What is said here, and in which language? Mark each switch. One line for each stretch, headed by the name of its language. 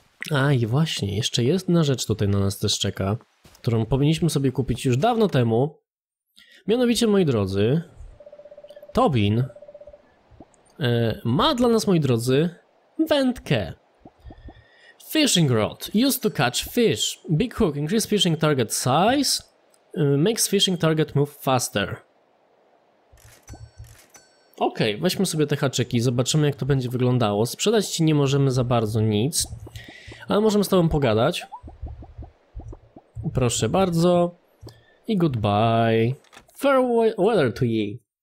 Polish: A i właśnie, jeszcze jest jedna rzecz tutaj na nas też czeka, którą powinniśmy sobie kupić już dawno temu. Mianowicie, moi drodzy, Tobin ma dla nas, moi drodzy, wędkę.
English: Fishing rod, used to catch fish. Big hook, increase fishing target size, makes fishing target move faster.
Polish: Okej, okay, weźmy sobie te haczyki, zobaczymy, jak to będzie wyglądało. Sprzedać ci nie możemy za bardzo nic, ale możemy z tobą pogadać. Proszę bardzo. I
English: goodbye. Fair weather to ye.